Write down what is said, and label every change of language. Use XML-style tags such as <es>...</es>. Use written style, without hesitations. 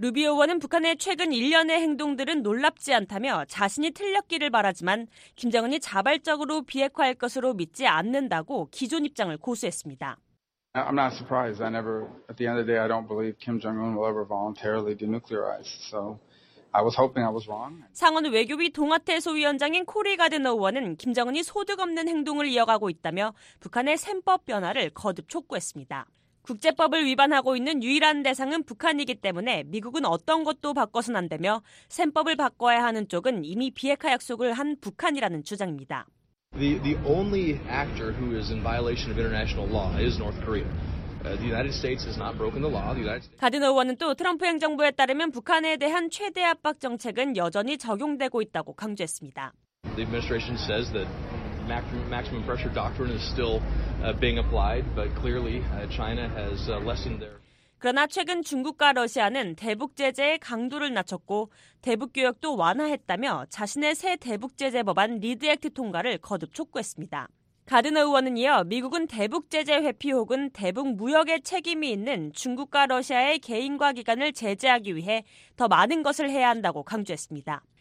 <ko>루비오 의원은 북한의 최근 일련의 행동들은 놀랍지 않다며 자신이 틀렸기를 바라지만 김정은이 자발적으로 비핵화할 것으로 믿지 않는다고 기존 입장을 고수했습니다.</ko> <en>I'm not surprised. I never, at the end of the day, I don't believe Kim Jong-un will ever voluntarily denuclearize. So I was hoping I was wrong.</en> <ko>상원 외교위 동아태 소위원장인 코리 가드너 의원은 김정은이 소득 없는 행동을 이어가고 있다며 북한의 셈법 변화를 거듭 촉구했습니다. 국제법을 위반하고 있는 유일한 대상은 북한이기 때문에 미국은 어떤 것도 바꿔서는 안 되며 셈법을 바꿔야 하는 쪽은 이미 비핵화 약속을 한 북한이라는 주장입니다.</ko> <en>The only actor who is in violation of international law is North Korea. The United States has not broken the law. The United States.</en> <ko>가드너 의원은 또 트럼프 행정부에 따르면 북한에 대한 최대 압박 정책은 여전히 적용되고 있다고 강조했습니다.</ko> <en>The administration says that maximum pressure doctrine is still being applied, but clearly China has lessened their.</en> <ko>그러나 최근 중국과 러시아는 대북 제재의 강도를 낮췄고 대북 교역도 완화했다며 자신의 새 대북 제재 법안 리드 액트 통과를 거듭 촉구했습니다. 가드너 의원은 이어 미국은 대북 제재 회피 혹은 대북 무역에 책임이 있는 중국과 러시아의 개인과 기관을 제재하기 위해 더 많은 것을 해야 한다고 강조했습니다.</ko>